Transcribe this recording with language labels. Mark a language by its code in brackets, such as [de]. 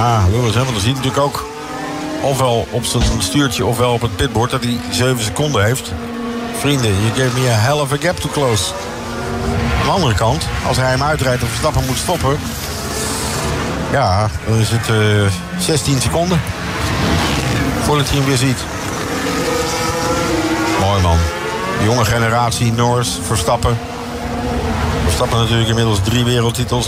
[nl] Lewis, hè, want dan ziet hij natuurlijk ook ofwel op zijn stuurtje ofwel op het pitbord dat hij 7 seconden heeft. Vrienden, [en] you gave me a hell of a gap to close. [nl] Aan de andere kant, als hij hem uitrijdt en Verstappen moet stoppen, ja, dan is het 16 seconden voordat hij hem weer ziet. Mooi man. De jonge generatie, Norris, Verstappen. Verstappen natuurlijk inmiddels 3 wereldtitels.